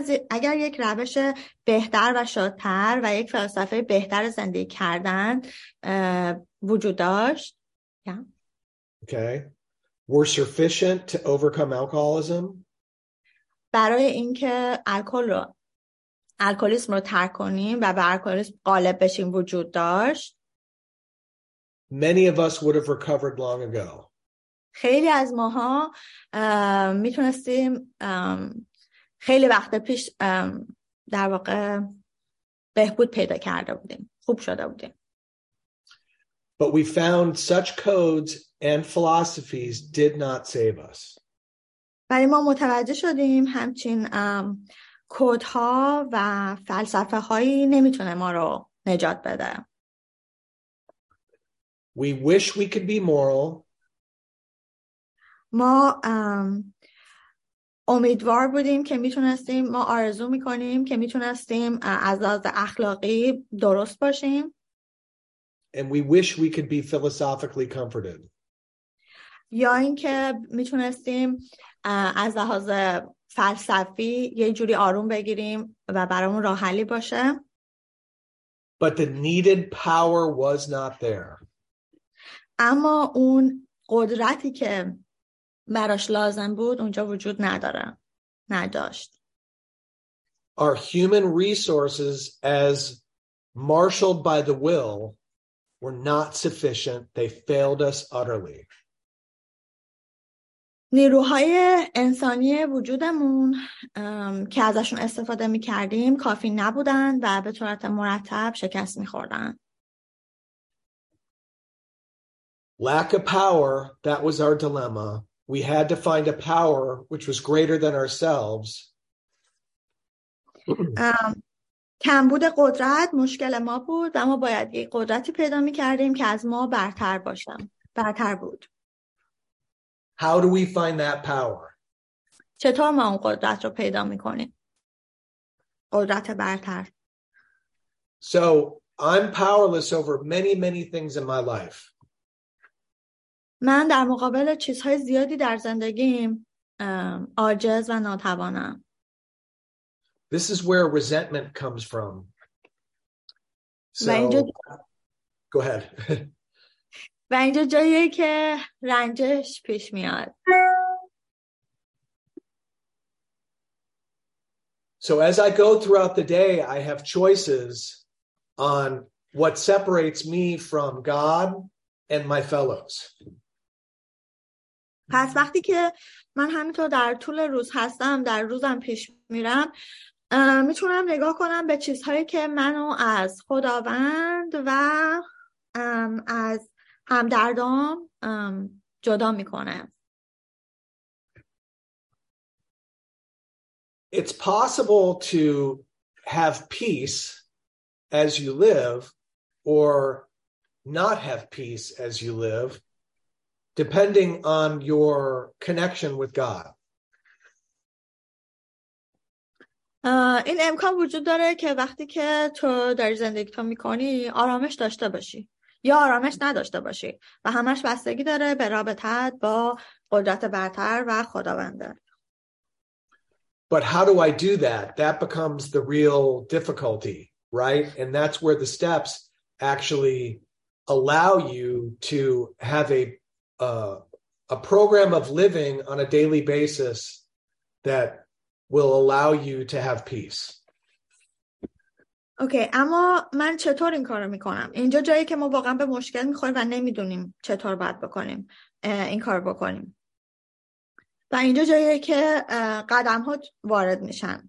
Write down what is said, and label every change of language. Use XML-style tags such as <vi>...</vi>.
<fa>اگر یک روش بهتر و شادتر و یک فلسفه بهتر زندگی کردن وجود داشت.</fa> <en>Yeah. Okay. Were sufficient to overcome alcoholism?</en> <fa>برای اینکه الکلیسم رو ترک کنیم و به الکلیسم غالب بشیم وجود داشت.</fa> <en>Many of us would have recovered long ago.</en> <fa>خیلی از ماها میتونستیم خیلی وقت پیش در واقع بهبود پیدا کرده بودیم، خوب شده بودیم.</fa> <en>But we found such codes and philosophies did not save us.</en> <fa>ولی ما متوجه شدیم همچین کودها و فلسفه هایی نمیتونه ما رو نجات بده.</fa> <en>We wish we could be moral.</en> <fa>ما امیدوار بودیم که میتونستیم، ما آرزو میکنیم که میتونستیم از لحاظ اخلاقی درست باشیم.</fa> <en>And we wish we could be philosophically comforted.</en> <fa>یا اینکه میتونستیم از لحاظ فلسفی یه جوری آروم بگیریم و برامون راه حلی باشه.</fa> <en>But the needed power was not there.</en> <fa>اما اون قدرتی که براش لازم بود اونجا وجود نداره. نداشت.</fa> <en>Our human resources as marshaled by the will were not sufficient. They failed us utterly.</en> <fa>نیروهای انسانی وجودمون که ازشون استفاده می کردیم کافی نبودن و به طورت مرتب شکست می خوردن.</fa> <en>Lack of power, that was our dilemma. We had to find a power which was greater than ourselves.</en> <fa>کمبود قدرت مشکل ما بود، اما باید یک قدرتی پیدا می کردیم که از ما برتر باشم، برتر بود.</fa> <en>How do we find that power?</en> <fa>چطور ما اون قدرت رو پیدا می‌کنیم؟ قدرت برتر.</fa> <en>So, I'm powerless over many, many things in my life.</en> <fa>من در مقابل چیزهای زیادی در زندگیم عاجز و ناتوانم.</fa> <en>This is where resentment comes from. Go ahead.</en> <fa>و اینجا جاییه که رنجش پیش میاد.</fa> <en>So as I go throughout the day, I have choices on what separates me from God and my fellows.</en> <fa>پس وقتی که من همینطور در طول روز هستم، در روزم پیش میرم، میتونم نگاه کنم به چیزهایی که منو از خداوند و از هم دردام جدا میکنه.</fa> <en>It's possible to have peace as you live or not have peace as you live, depending on your connection with God.</en> <fa>این امکان وجود داره که وقتی که تو داری زندگی تو میکنی آرامش داشته باشی یا آرامش نداشته باشی و همش بستگی داره به رابطت با قدرت برتر و خداونده.</fa> <en>But how do I do that? That becomes the real difficulty, right? And that's where the steps actually allow you to have a program of living on a daily basis that will allow you to have peace.</en> <fa>Okay, اما من چطور این کارو میکنم؟ اینجا جایی که ما واقعا به مشکل میخوریم و نمیدونیم چطور باید بکنیم این کارو بکنیم. و اینجا جاییه که قدم ها وارد میشن.</fa>